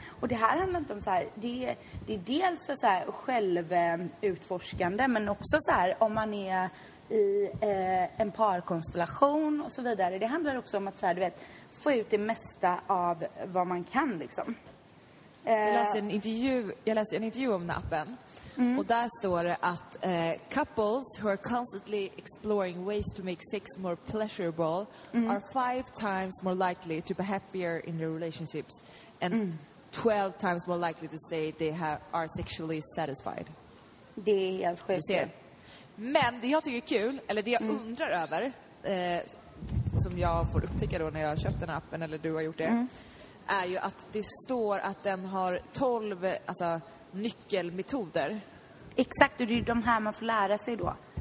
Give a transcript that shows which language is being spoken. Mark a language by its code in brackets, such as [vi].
[sv] Och det här handlar inte om så här, det är dels för så här självutforskande, men också så här, om man är i en parkonstellation och så vidare. Det handlar också om att så här, du vet, få ut det mesta av vad man kan liksom. Jag läste en intervju om appen. Mm. Och där står det att [en] couples who are constantly exploring ways to make sex more pleasurable are 5 times more likely to be happier in their relationships and 12 times more likely to say they are sexually satisfied. [sv] Det är helt sjukt. Men det jag tycker är kul, eller det jag undrar över, som jag får upptäcka då när jag har köpt den appen eller du har gjort det, är ju att det står att den har 12 alltså, nyckelmetoder. Exakt, och det är de här man får lära sig då.